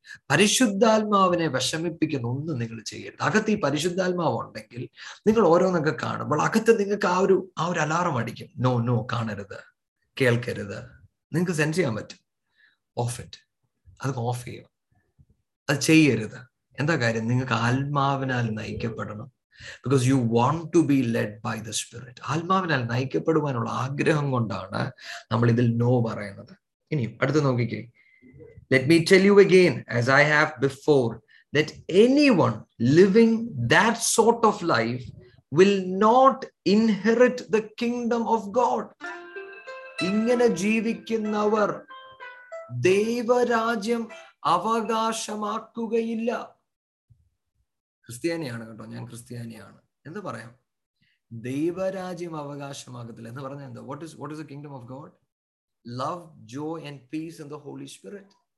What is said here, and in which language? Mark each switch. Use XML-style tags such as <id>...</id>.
<ml>പരിശുദ്ധാത്മാവിനെ വിഷമിപ്പിക്കുന്ന ഒന്നും നിങ്ങൾ ചെയ്യരുത്. അകത്ത് ഈ പരിശുദ്ധാത്മാവ് ഉണ്ടെങ്കിൽ നിങ്ങൾ ഓരോന്നൊക്കെ കാണുമ്പോൾ അകത്ത് നിങ്ങൾക്ക് ആ ഒരു അലാറം അടിക്കും.</ml> <en>no no,</en> <ml>കാണരുത്, കേൾക്കരുത്. നിങ്ങൾക്ക് സെൻസ് ചെയ്യാൻ പറ്റും,</ml> <en>off it,</en> <ml>അത് ഓഫ് ചെയ്യും, അത് ചെയ്യരുത്. എന്താ കാര്യം? നിങ്ങൾക്ക് ആത്മാവിനാൽ നയിക്കപ്പെടണം.</ml> <en>Because you want to be led by the Spirit.</en> <ml>ആത്മാവിനാൽ നയിക്കപ്പെടുവാനുള്ള ആഗ്രഹം കൊണ്ടാണ് നമ്മൾ ഇതിൽ നോ പറയുന്നത്. ഇനിയും അടുത്ത് നോക്കിക്കേ.</ml> <en>Let me tell you again, as I have before, that anyone living that sort of life will not inherit the kingdom of God.</en> <ml>ഇങ്ങനെ ജീവിക്കുന്നവർ ദൈവരാജ്യം അവകാശമാക്കുകയില്ല. ക്രിസ്ത്യാനിയാണ് കേട്ടോ, ഞാൻ ക്രിസ്ത്യാനിയാണ് എന്ന് പറയാം, ദൈവരാജ്യം അവകാശമാകത്തില്ല എന്ന് പറഞ്ഞാൽ എന്താ?</ml> <en>What is the kingdom of God? Love, joy and peace in the holy spirit.</en>